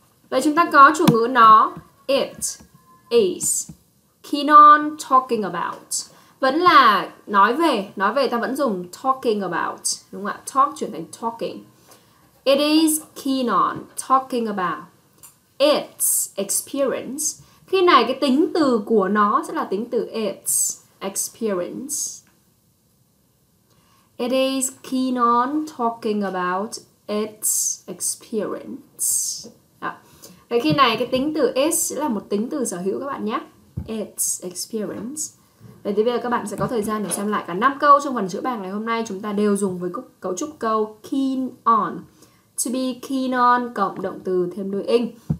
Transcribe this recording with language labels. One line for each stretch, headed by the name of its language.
Vietnamese: Vậy chúng ta có chủ ngữ nó,
English: it is keen on talking about.
Vietnamese: Vẫn là nói về ta vẫn dùng
English: talking about,
Vietnamese: đúng không ạ? Talk chuyển thành talking.
English: It is keen on talking about its experience.
Vietnamese: Khi này cái tính từ của nó sẽ là tính từ its experience.
English: It is keen on talking about its experience.
Vietnamese: Vậy khi này cái tính từ is sẽ là một tính từ sở hữu các bạn nhé.
English: It's experience.
Vietnamese: Vậy thì bây giờ các bạn sẽ có thời gian để xem lại cả 5 câu trong phần chữ bảng ngày hôm nay. Chúng ta đều dùng với cấu trúc câu keen on.
English: To be keen on
Vietnamese: cộng động từ thêm đuôi ing.